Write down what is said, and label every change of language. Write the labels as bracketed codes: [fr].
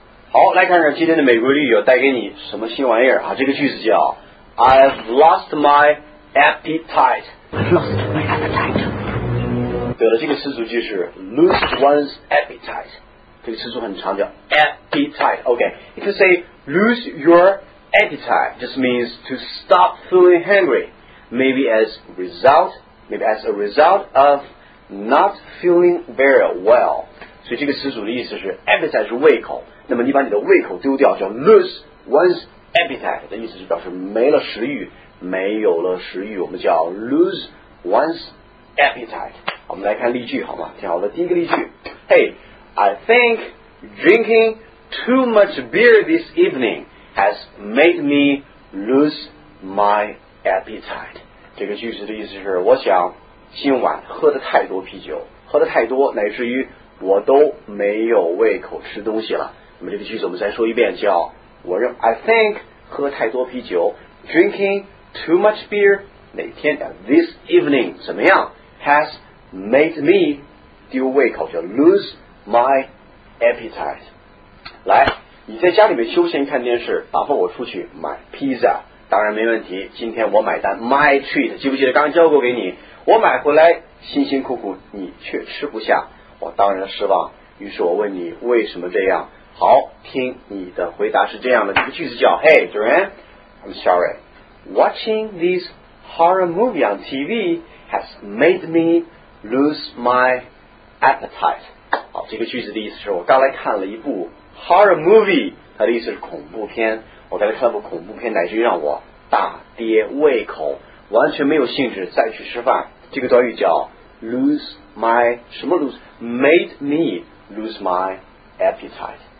[zh] 好，来看看今天的美国绿友带给你什么新玩意儿啊？这个句子叫 [en] I've lost my appetite. Lost my appetite. [zh] 对了，这个词组就是 [en] lose one's appetite. [zh] 这个词组很长，叫 appetite. [en] Okay, you can say lose your appetite. Just means to stop feeling hungry. Maybe as a result of not feeling very well. [zh] 所以这个词组的意思是 appetite 是胃口，那么你把你的胃口丢掉叫 [en] lose one's appetite， [zh] 的意思是表示没了食欲，没有了食欲，我们叫 lose one's appetite。我们来看例句好吗？听好了，第一个例句， [en] Hey, I think drinking too much beer this evening has made me lose my appetite。 [zh] 这个句子的意思是，我想今晚喝的太多啤酒，喝的太多，乃至于我都没有胃口吃东西了。那么这个句子我们再说一遍，叫我认 [en] I think [zh] 喝太多啤酒 ， [en] drinking too much beer [zh] 哪天 [en] this evening [zh] 怎么样 [en] has made me [zh] 丢胃口，叫 [en] lose my appetite。 [zh] 来，你在家里面休闲看电视，打发我出去买 pizza。当然没问题，今天我买单 ， [en] my treat， [zh] 记不记得刚交过给你？我买回来辛辛苦苦，你却吃不下，我当然失望。于是我问你为什么这样？好，听你的回答是这样的，这个句子叫 ： [en] Hey, Duran, I'm sorry. Watching this horror movie on TV has made me lose my appetite. [zh] 好，这个句子的意思是我刚来看了一部 horror movie， 它的意思是恐怖片。我刚才看了部恐怖片，乃至于让我大跌胃口，完全没有兴致再去吃饭。这个短语叫 [en] lose my [zh] 什么 [en] lose made me lose my appetite。